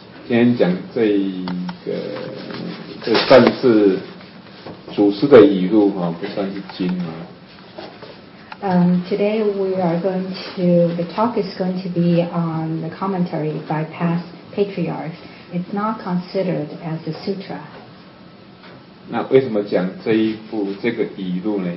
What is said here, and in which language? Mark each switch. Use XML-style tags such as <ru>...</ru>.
<zh>今天讲这一个，这算是祖师的语录哈，不算是经啊。</zh> <en>Today we are going to the talk is going to be on the commentary by past patriarchs. It's not considered as a sutra.</en> <zh>那为什么讲这一部这个语录呢？</zh>